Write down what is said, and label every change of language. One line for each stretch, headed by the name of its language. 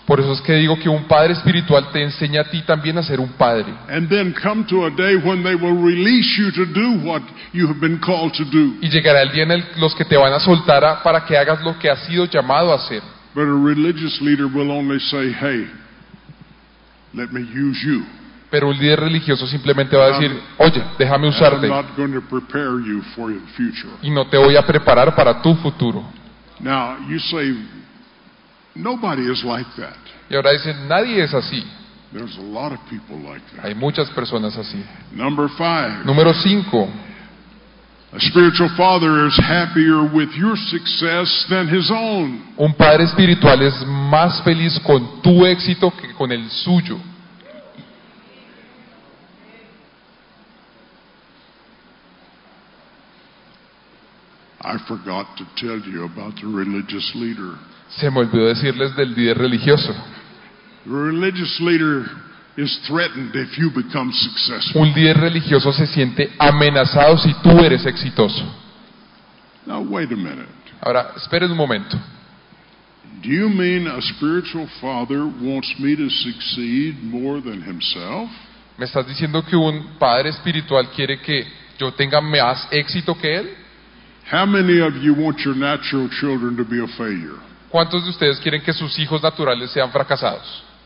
Spanish: Por eso es que digo que un padre espiritual te enseña a ti también a ser un padre.
English: And then come to a day when they will release you to do what you have been called to do.
Spanish: Y llegará el día en el los que te van a soltar para que hagas lo que has sido llamado a hacer.
English: But a religious leader will only say, "Hey, let me use you."
Spanish: Pero un líder religioso simplemente va a decir, oye, déjame usarte.
English: I'm not going to prepare you for your future.
Spanish: Y no te voy a preparar para tu futuro.
English: Now, you say, nobody is like that.
Spanish: Y ahora dicen, nadie es así.
English: There's a lot of people like that.
Spanish: Hay muchas personas así.
English: Number five.
Spanish: Número cinco.
English: A spiritual father is happier with your success than his own.
Spanish: Un padre espiritual es más feliz con tu éxito que con el suyo.
English: I forgot to tell you about the religious leader.
Spanish: Se me olvidó decirles del líder religioso.
English: The religious leader is threatened if you become successful.
Spanish: Un líder religioso se siente amenazado si tú eres exitoso.
English: Now wait a minute.
Spanish: Ahora, esperen un momento.
English: Do you mean a spiritual father wants me to succeed more than himself?
Spanish: ¿Me estás diciendo que un padre espiritual quiere que yo tenga más éxito que él?
English: How many of you want your natural children to be a failure?
Spanish: ¿Cuántos de ustedes quieren que sus hijos naturales sean fracasados?